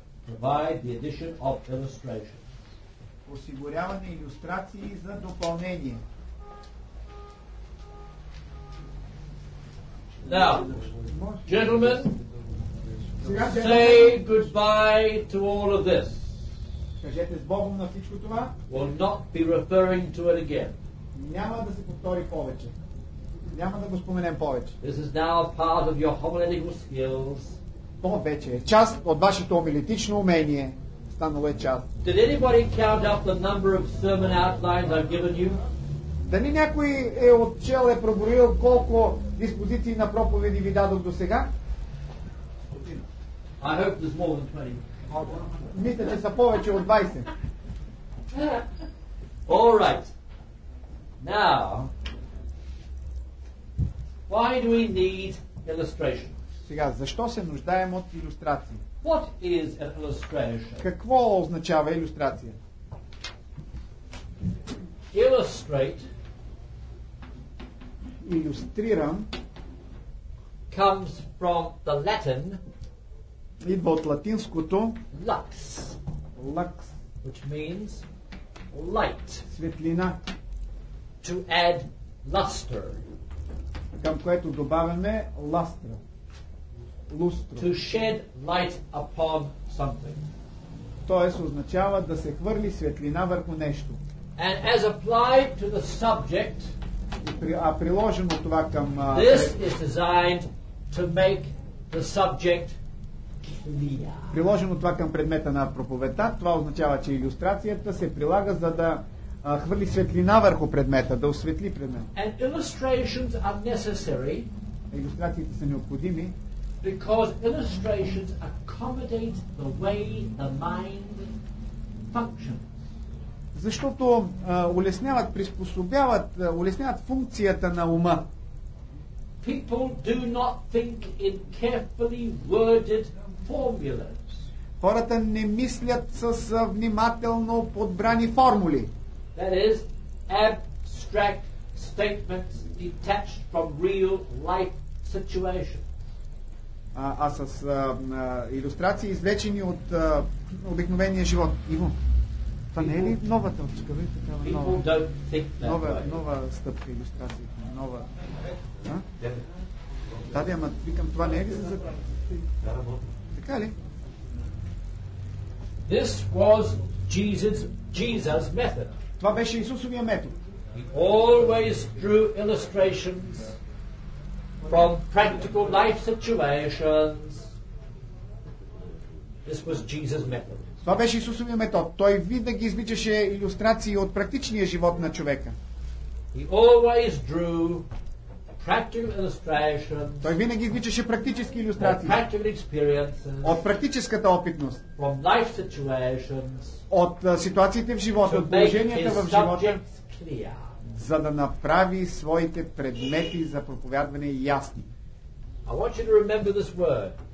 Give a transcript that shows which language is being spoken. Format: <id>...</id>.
<en>provide the addition of illustration.</en> <bg>Осигуряване илюстрации за допълнение.</bg> <en>Now, gentlemen, say goodbye to all of this.</en> <bg>Кажете с Богом на всичко това.</bg> <en>We'll not be referring to it again.</en> <bg>Няма да се повтори повече. Няма да го споменем повече.</bg> <en>This is now part of your homiletical skills.</en> <bg>Това вече е част от вашето омилитично умение. Станало е част.</bg> <en>Did anybody count up the number of sermon outlines I've given you?</en> <bg>Дали някой е отчел, е проборил колко диспозиции на проповеди ви дадох до сега?</bg> <en>I hope there's more than 20.</en> <bg>Мисля, че са повече от 20.</bg> <en>All right. Now, why do we need illustration?</en> <bg>Сега, защо се нуждаем от илюстрации?</bg> <en>What is an illustration?</en> <bg>Какво означава илюстрация?</bg> <en>Illustrate.</en> <bg>Илюстрирам.</bg> <en>Comes from the Latin.</en> <bg>Идва от латинското.</bg> <la>Lux. Lux.</la> <en>Which means light.</en> <bg>Светлина.</bg> <en>To add luster.</en> <bg>Към което добавяме ластра.</bg> <la>Lustro.</la> <en>To shed light upon something.</en> <bg>Тоест означава да се хвърли светлина върху нещо.</bg> <en>And as applied to the subject,</en> <bg>а приложено това към</bg> <en>this is designed to make the subject clear.</en> <bg>Приложено това към предмета на проповедта, това означава, че илюстрацията се прилага за да хвърли светлина върху предмета, да осветли предмета.</bg> <en>And illustrations are necessary.</en> <bg>Илюстрациите са необходими.</bg> <en>Because illustrations accommodate the way the mind functions.</en> <bg>Защото улесняват, приспособяват, улесняват функцията на ума.</bg> <en>People do not think in carefully worded formulas.</en> <bg>Хората не мислят с внимателно подбрани формули.</bg> <en>That is abstract statements detached from real life situations.</en> <bg>Илюстрации, извлечени от обикновения живот. Иво, това не е ли нова точка? Ви, такава, нова стъпка илюстрации. Нова. Да, да, ама викам, това не е ли за... Така ли?</bg> <en>This was Jesus' method.</en> <bg>Това беше Исусовия метод.</bg> <en>He always drew illustrations from practical life situations. This was Jesus' method.</en> <bg>Това беше Исусовия метод. Той винаги ги извличаше илюстрации от практичния живот на човека.</bg> <en>He always drew practical illustrations.</en> <bg>Той винаги извличаше практически илюстрации.</bg> <en>From practical experiences.</en> <bg>От практическата опитност.</bg> <en>From life situations.</en> <bg>От ситуациите в живота, от положенията в живота. За да направи своите предмети за проповядване ясни.</bg> <en>I want you to remember this word.</en>